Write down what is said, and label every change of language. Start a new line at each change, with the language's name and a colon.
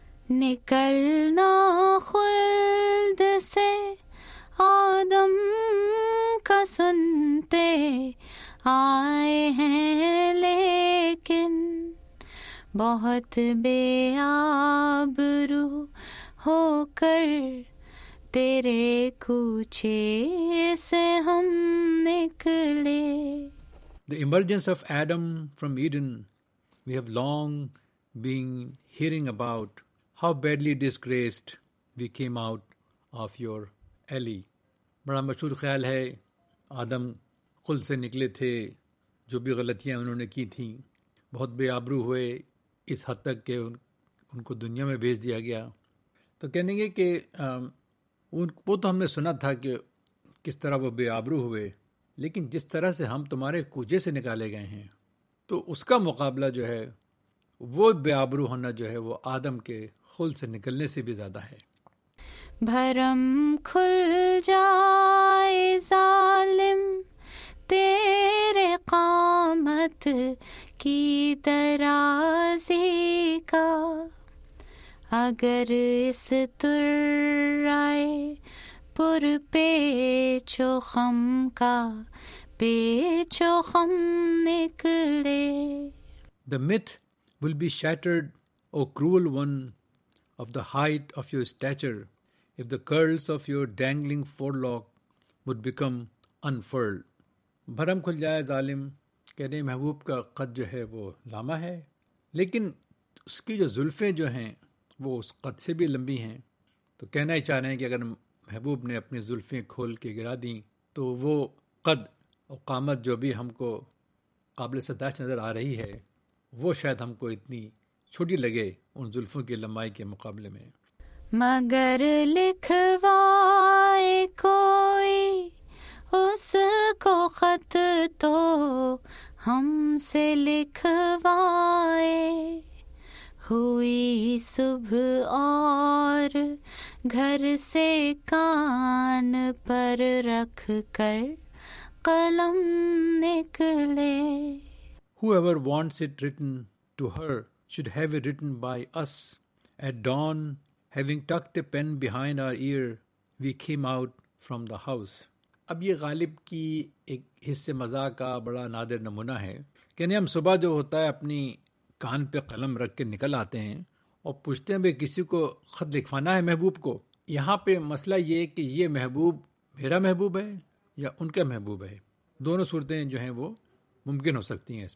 Urdu: نکلنا خلد سے آدم کا سنتے آئے ہیں لیکن بہت بے آبرو ہو کر تیرے کوچے سے ہم نکلے.
English: The emergence of Adam from Eden, we have long been hearing about how badly disgraced we came out of your alley.
Urdu: بڑا مشہور خیال ہے, آدم خل سے نکلے تھے, جو بھی غلطیاں انہوں نے کی تھیں بہت بے آبرو ہوئے اس حد تک کہ ان کو دنیا میں بھیج دیا گیا. تو کہنے گے کہ وہ تو ہم نے سنا تھا کہ کس طرح وہ بے آبرو ہوئے, لیکن جس طرح سے ہم تمہارے کوجے سے نکالے گئے ہیں تو اس کا مقابلہ جو ہے وہ بے آبرو ہونا جو ہے وہ آدم کے خل سے نکلنے سے بھی زیادہ ہے. بھرم کھل جائے ظالم تیرے قامت کی ترازی کا اگر اس ترائے پر پیچ و خم کا پیچ و خم نکلے.
English: The myth will be shattered, O cruel one, of the height of your stature if the curls of your dangling forelock would become unfurled.
Urdu: بھرم کھل جائے ظالم, کہہ رہے محبوب کا قد جو ہے وہ لاما ہے لیکن اس کی جو زلفیں جو ہیں وہ اس قد سے بھی لمبی ہیں. تو کہنا ہی چاہ رہے ہیں کہ اگر محبوب نے اپنی زلفیں کھول کے گرا دیں تو وہ قد اور قامت جو بھی ہم کو قابل ستائش نظر آ رہی ہے وہ شاید ہم کو اتنی چھوٹی لگے ان زلفوں کی لمبائی کے مقابلے میں. مگر لکھوائے کوئی اس کو خط تو ہم سے لکھوائے, ہوئی صبح اور گھر سے کان پر رکھ کر قلم نکلے.
English: Whoever wants it written to her should have it written by us. At dawn, having tucked a pen behind our ear, we came out from the house.
Urdu: اب یہ غالب کی ایک حصے مزاح کا بڑا نادر نمونہ ہے. کہنے ہم صبح جو ہوتا ہے اپنی کان پہ قلم رکھ کے نکل آتے ہیں اور پوچھتے ہیں بھی کسی کو خط لکھوانا ہے محبوب کو. یہاں پہ مسئلہ یہ کہ یہ محبوب میرا محبوب ہے یا ان کا محبوب ہے, دونوں صورتیں جو ہیں وہ ممکن ہو سکتی ہیں.